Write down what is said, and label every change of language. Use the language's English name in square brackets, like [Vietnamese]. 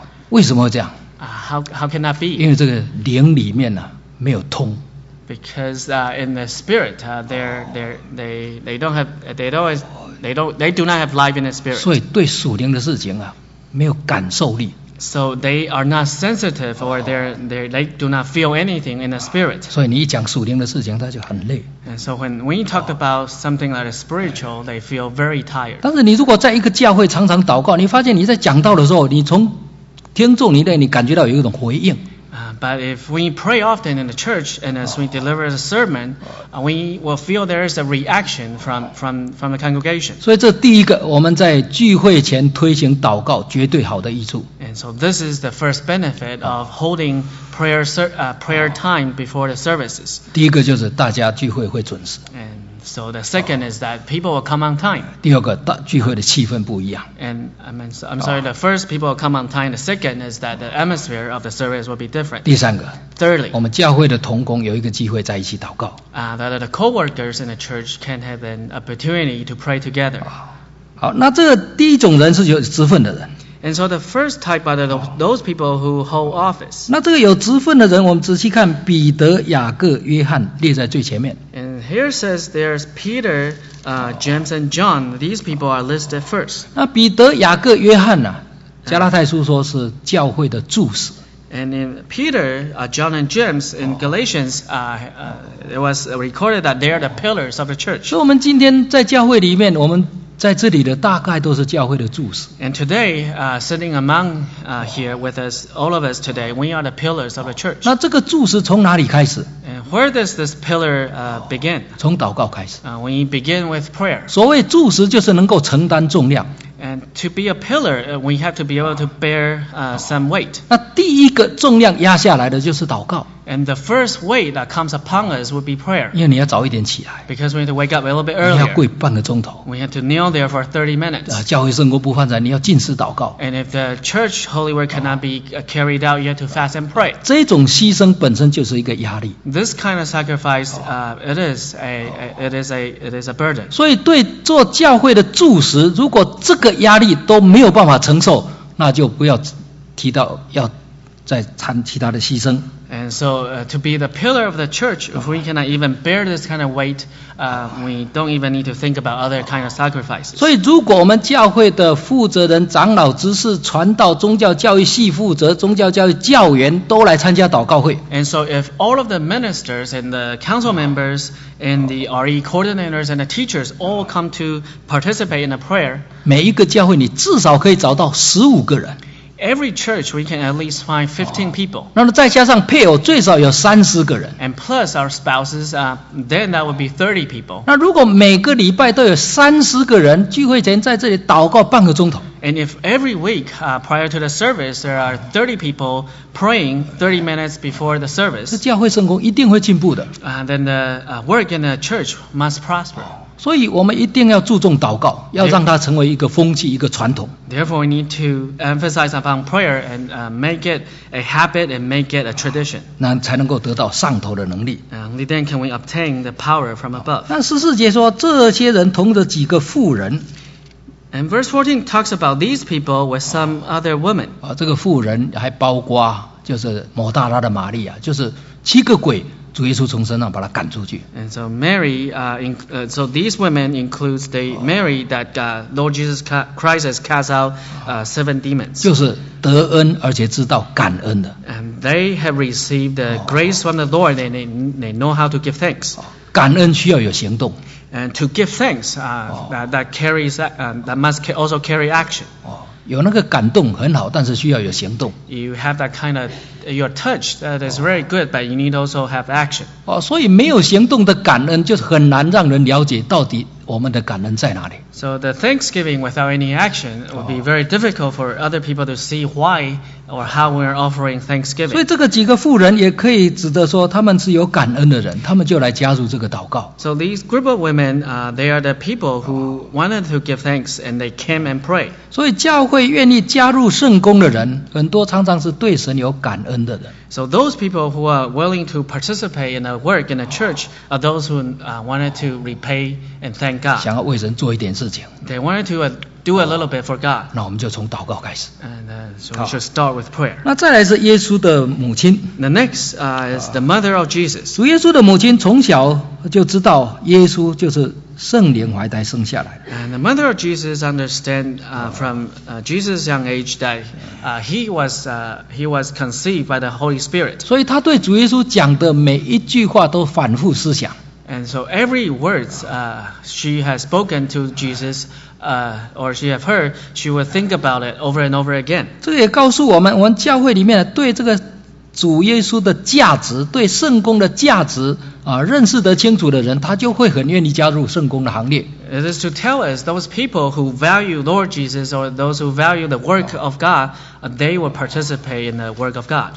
[Chinese] 为什么会这样？ [English] How can that be? [Chinese] 因为这个灵里面没有通。 [English] Because in the spirit, they do not have life in the spirit. [Chinese] 所以对属灵的事情没有感受力。 [English] So they are not sensitive or they do not feel anything in the spirit. [Chinese] 所以你一讲属灵的事情，他就很累。 [English] And so when you talk about something that is spiritual, they feel very tired. [Chinese] 但是你如果在一个教会常常祷告，你发现你在讲道的时候，你从听众你感觉到有一种回应。 [English] But if we pray often in the church and as we deliver the sermon, we will feel there is a reaction from the congregation. [Chinese] 所以这第一个我们在聚会前推行祷告绝对好的益处。 [English] And so this is the first benefit of holding prayer time before the services. [Chinese] 第一个就是大家聚会会准时。 [English] And so the second is that people will come on time. [Chinese] 第二个大聚会的气氛不一样。 [English] And I'm sorry, the first people will come on time. The second is that the atmosphere of the service will be different. [Chinese] 第三个。 [English] Thirdly, [Chinese] 我们教会的同工有一个机会在一起祷告。 [English] That the co-workers in the church can have an opportunity to pray together. [Chinese] 好，那这第一种人是有职分的人。 [English] And so the first type are those people who hold office. [Chinese] 那这个有职分的人，我们仔细看彼得、雅各、约翰列在最前面。 [English] And here says there's Peter, James and John. These people are listed first. [Chinese] 那彼得、雅各、约翰加拉太书说是教会的柱石。 [English] And in Peter, John and James in Galatians, it was recorded that they are the pillars of the church. [Chinese] 所以我们今天在教会里面，我们在这里的大概都是教会的柱石。 [English] And today, sitting among here with us, all of us today, we are the pillars of the church. [Chinese] 那这个柱石从哪里开始？ [English] And where does this pillar begin? [Chinese] 从祷告开始。 [English] We begin with prayer. [Chinese] 所谓柱石就是能够承担重量。 [English] And to be a pillar, we have to be able to bear some weight. [Chinese] 那第一个重量压下来的就是祷告。 [English] And the first weight that comes upon us would be prayer. [Chinese] 因为你要早一点起来。 [English] Because we need to wake up a little bit earlier. [Chinese] 你要跪半个钟头。 [English] We have to kneel there for 30 minutes. [Chinese] 教会圣锅不放盏，你要进食祷告。 [English] And if the church holy work cannot be carried out, you have to fast and pray. [Chinese] 这种牺牲本身就是一个压力。 [English] This kind of sacrifice, it is a burden. [Chinese] 所以对做教会的柱石，如果这个压力都没有办法承受，那就不要提到要再参其他的牺牲。 [English] And so to be the pillar of the church, if we cannot even bear this kind of weight, we don't even need to think about other kind of sacrifices. [Chinese] 所以如果我们教会的负责人、长老、执事、传道、宗教教育系负责、宗教教育教员都来参加祷告会。 [English] And so if all of the ministers and the council members and the RE coordinators and the teachers all come to participate in a prayer, [Chinese] 每一个教会你至少可以找到15个人。 [English] Every church, we can at least find 15 people. [Chinese] 那再加上配偶最少有30个人。 [English] And plus our spouses, then that would be 30 people. [Chinese] 那如果每个礼拜都有30个人聚会前在这里祷告半个钟头。 [English] And if every week, prior to the service, there are 30 people praying 30 minutes before the service, [Chinese] 这教会圣工一定会进步的。 [English] Then the work in the church must prosper. [Chinese] 所以我们一定要注重祷告，要让它成为一个风气，一个传统。 [English] Therefore, we need to emphasize upon prayer and make it a habit and make it a tradition. [Chinese] 那才能够得到上头的能力。 [English] Only then can we obtain the power from above. [Chinese] 那十四节说，这些人同着几个妇人。 [English] And verse 14 talks about these people with some other women. [Chinese] 这个妇人还包括就是抹大拉的玛利亚，就是七个鬼主耶稣从身上把他赶出去。 [English] And so Mary, so these women includes the Mary that Lord Jesus Christ has cast out seven demons. [Chinese] 就是得恩而且知道感恩的。 [English] And they have received the grace from the Lord, and they know how to give thanks. [Chinese] 感恩需要有行动。 [English] And to give thanks, that must also carry action. [Chinese] 有那个感动很好，但是需要有行动。 [English] You have that kind of your touch that is very good, but you need also have action. [Chinese] 所以没有行动的感恩，就是很难让人了解到底我们的感恩在哪里。 [English] So the thanksgiving without any action would be very difficult for other people to see why or how we are offering thanksgiving. [Chinese] 所以这个几个妇人也可以指的说他们是有感恩的人，他们就来加入这个祷告。 [English] So these group of women, they are the people who wanted to give thanks and they came and pray. [Chinese] 所以教会愿意加入圣工的人，很多常常是对神有感恩的人。 [English] So those people who are willing to participate in the work in the church are those who wanted to repay and thank God. [Chinese] 想要为神做一点事情。 [English] They wanted to do a little bit for God. [Chinese] 那我们就从祷告开始。 [English] And so we should start with prayer. [Chinese] 那再来是耶稣的母亲。 [English] The next is the mother of Jesus. [Chinese] 主耶稣的母亲从小就知道耶稣就是圣灵怀胎生下来。 [English] And the mother of Jesus understand from Jesus' young age that he was conceived by the Holy Spirit. [Chinese] 所以他对主耶稣讲的每一句话都反复思想。 [English] And so every words she has spoken to Jesus or she have heard, she will think about it over and over again. [Chinese] 这也告诉我们，我们教会里面对这个主耶稣的价值，对圣工的价值认识得清楚的人，他就会很愿意加入圣工的行列。 [English] It is to tell us those people who value Lord Jesus or those who value the work of God, they will participate in the work of God.